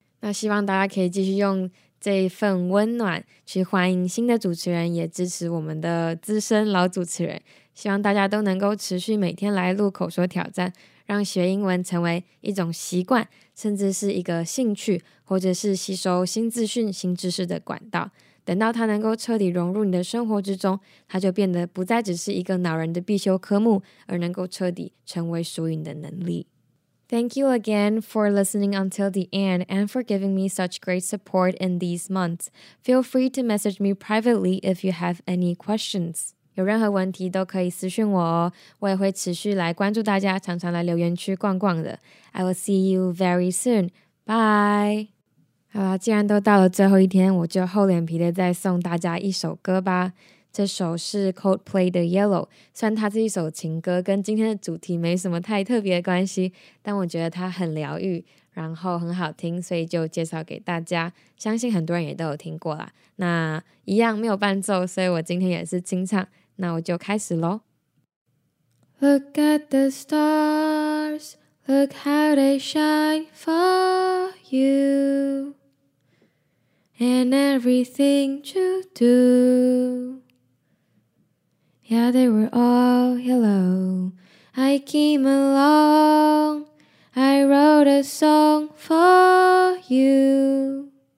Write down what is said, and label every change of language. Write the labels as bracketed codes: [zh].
[zh] 那希望大家可以继续用这份温暖去欢迎新的主持人，也支持我们的资深老主持人，希望大家都能够持续每天来录口说挑战，让学英文成为一种习惯，甚至是一个兴趣，或者是吸收新资讯新知识的管道。等到它能够彻底融入你的生活之中，它就变得不再只是一个恼人的必修科目，而能够彻底成为属于你的能力。 [en] Thank you again for listening until the end and for giving me such great support in these months. Feel free to message me privately if you have any questions. [zh] 有任何问题都可以私讯我哦，我也会持续来关注大家，常常来留言区逛逛的。 [en] I will see you very soon. Bye! [zh] 好啦，既然都到了最后一天，我就厚脸皮的再送大家一首歌吧。这首是 Coldplay 的 Yellow， 虽然它是一首情歌，跟今天的主题没什么太特别的关系，但我觉得它很疗愈，然后很好听，所以就介绍给大家。相信很多人也都有听过啦。那一样没有伴奏，所以我今天也是清唱。那我就开始咯。 [en] Look at the stars, look how they shine for you, and everything you do. Yeah, they were all yellow. I came along, I wrote a song for you.